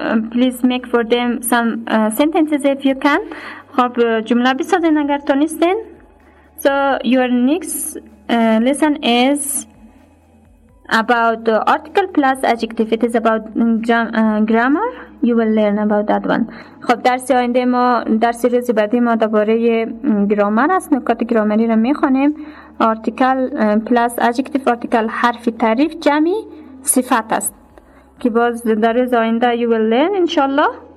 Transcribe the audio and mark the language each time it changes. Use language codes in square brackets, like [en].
[en] Please make for them some sentences if you can. [fa] خب جمله بسازین اگر تونستین. [en] So your next lesson is about article plus adjective. It is about grammar. You will learn about that one. [fa] خب درس آینده ما، درس روز بعدی ما درباره گرامر است. نکات گرامری را میخوانیم. [en] article plus adjective. [fa] article حرف تعریف، جمع صفت است که باز در روز آینده [en] you will learn [fa] انشاءالله.